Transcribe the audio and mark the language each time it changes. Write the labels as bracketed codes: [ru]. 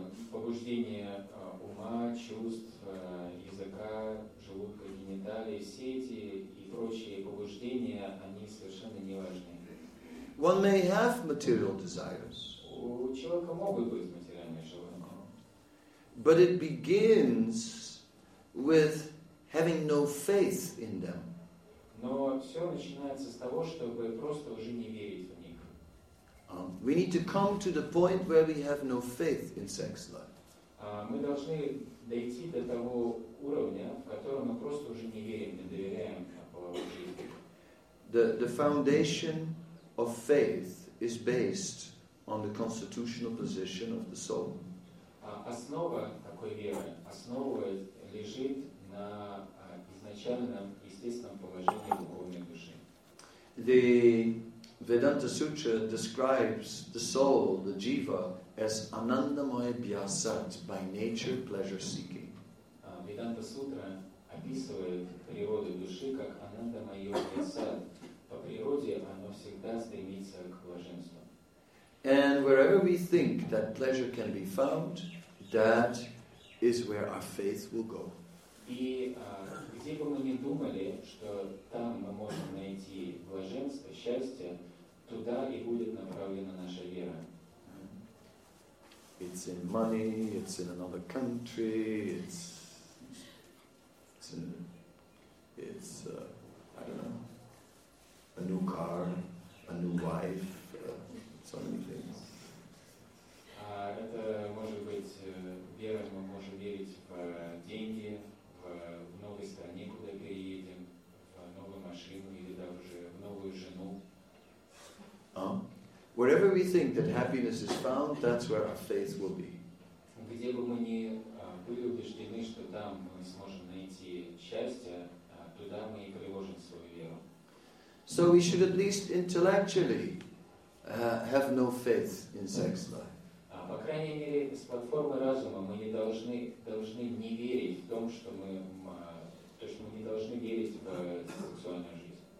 [ru] Побуждение ума, чувств, языка, желудка, гениталии, сети и прочие побуждения, они совершенно не важны. [en] One may have material desires. [ru] У человека могут быть материальные желания. [en] But it begins with having no faith in them. [ru] Но все начинается с того, чтобы просто уже не верить в них. [en] We need to come to the point where we have no faith in sex life. [ru] Мы должны дойти до того уровня, в котором мы просто уже не верим, не доверяем половой жизни. [en] The foundation of faith is based on the constitutional position of the soul. [ru] Основа такой веры, основа лежит на изначальном естественном положении духовной души. [en] The Vedanta Sutra describes the soul, the jiva, as anandamaya bhyasat, by nature pleasure-seeking. [ru] Vedanta Sutra описывает природу души как anandamaya bhyasat. По природе оно всегда стремится к блаженству. [en] And wherever we think that pleasure can be found, that is where our faith will go. [ru] И где бы мы ни думали, что там мы можем найти блаженство, счастье, туда и будет направлена наша вера. [en] It's in money, it's in another country, it's I don't know, a new car, a new wife, so many things. [ru] Это может быть вера, мы можем верить в деньги, в новой стране, куда переедем, в новую машину или даже в новую жену. [en] Wherever we think that happiness is found, that's where our faith will be. [ru] Где бы мы ни были убеждены, что там мы сможем найти счастье, туда мы и приложим свою веру. [en] So we should at least intellectually have no faith in sex life. [ru] По крайней мере, с платформы разума мы не должны не верить в том, что мы то, что мы не должны верить в сексуальную жизнь.